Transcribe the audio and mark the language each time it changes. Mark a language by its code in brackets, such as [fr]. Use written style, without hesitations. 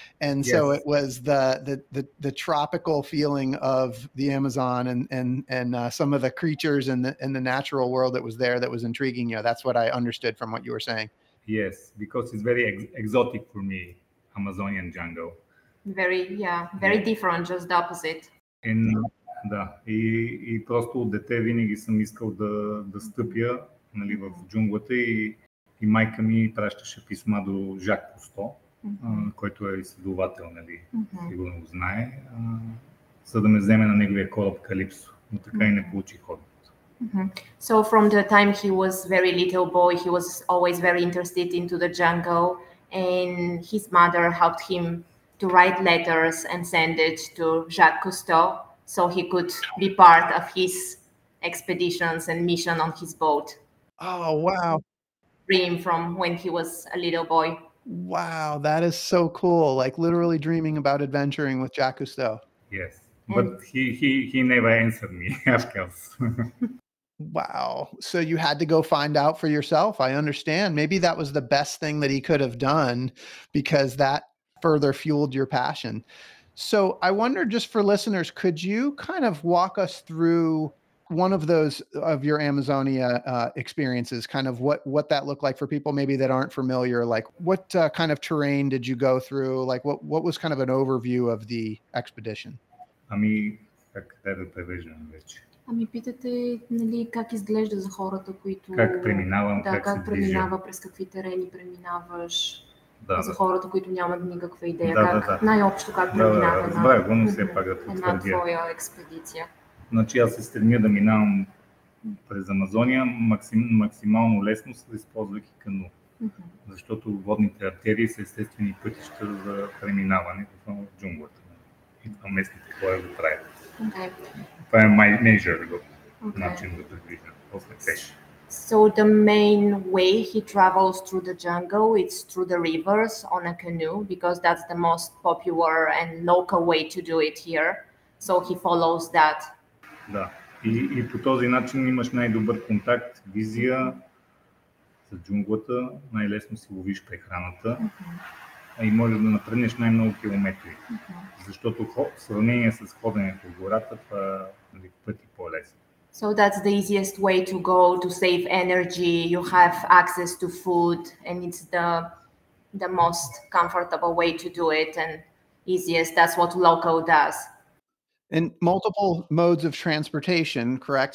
[en] And yes. So it was the tropical feeling of the Amazon and some of the creatures in the natural world that was there that was intriguing you. That's what I understood from what you were saying. Yes, because it's very exotic for me, Amazonian jungle. Very different, just the opposite. [bg] And да, и просто от дете винаги съм искал да стъпя, нали, в джунглата и майка ми пращаше писма до Жак Кусто, който е изследовател, нали, сигурно го знае, за да ме вземе на неговия кораб Калипсо, но така и не получих отговор. [en] So from the time he was very little boy, he was always very interested into the jungle, and his mother helped him to write letters and send it to Jacques Cousteau so he could be part of his expeditions and mission on his boat. Oh, wow. Dream from when he was a little boy. Wow, that is so cool. Like literally dreaming about adventuring with Jacques Cousteau. Yes, but he never answered me, of course. Wow. So you had to go find out for yourself. I understand. Maybe that was the best thing that he could have done because that further fueled your passion. So I wonder, just for listeners, could you kind of walk us through one of those of your Amazonia experiences, kind of what that looked like for people maybe that aren't familiar? Like what kind of terrain did you go through? Like what was kind of an overview of the expedition? I mean, the provision, which... [bg] Ами питате, нали, как изглежда за хората, които... Как преминавам, да, как се движа. Да, как преминава, през какви терени преминаваш. Да, за да. Хората, които нямат никаква идея. Да, как, да, да. Най-общо как преминава. Да, да, разбрах, но на... все пак да потвърдя. Една твоя експедиция. Значи аз се стремя да минавам през Амазония максимално лесно, използвайки кано. Защото водните артерии са естествени пътища за преминаване в джунглата. И това местните хора го правят. [en] Okay. [bg] Това е major начин да предвижда, после пеш. [en] So the main way he travels through the jungle, it's through the rivers on a canoe, because that's the most popular and local way to do it here. So he follows that. [bg] Да. И по този начин имаш най-добър контакт, визия за джунглата, най-лесно си ловиш прехраната. И може да напреднеш най-много километри, защото в сравнение с ходенето в гората, това е пъти по-лесно. [en] So that's the easiest way to go, to save energy, you have access to food, and it's the most comfortable way to do it, and easiest, that's what local does. And multiple modes of transportation, correct?